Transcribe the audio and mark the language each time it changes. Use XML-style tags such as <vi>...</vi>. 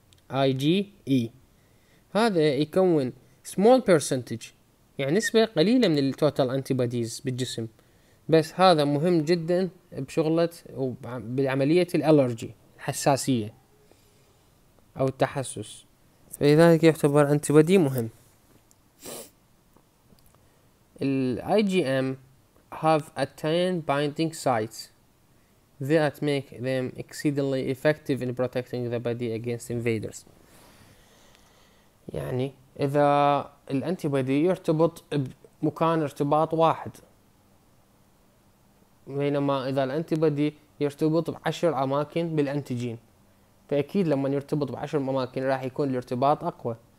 <ar>اي جي اي هذا يكون</ar> <en>small percentage,</en> <ar>يعني نسبه قليله من التوتال انتيباديز بالجسم، بس هذا مهم جدا بشغله وبعمليه الالرجي، الحساسيه او التحسس، فلذلك يعتبر انتيبادي مهم.</ar> <en>الاي G M have attained binding sites that make them exceedingly effective in protecting the body against invaders.</en> <ar>يعني إذا الانتيبودي يرتبط بمكان ارتباط واحد، بينما إذا الانتيبودي يرتبط بعشر أماكن بالانتيجين، فأكيد لما يرتبط بعشر أماكن راح يكون الارتباط أقوى.</ar>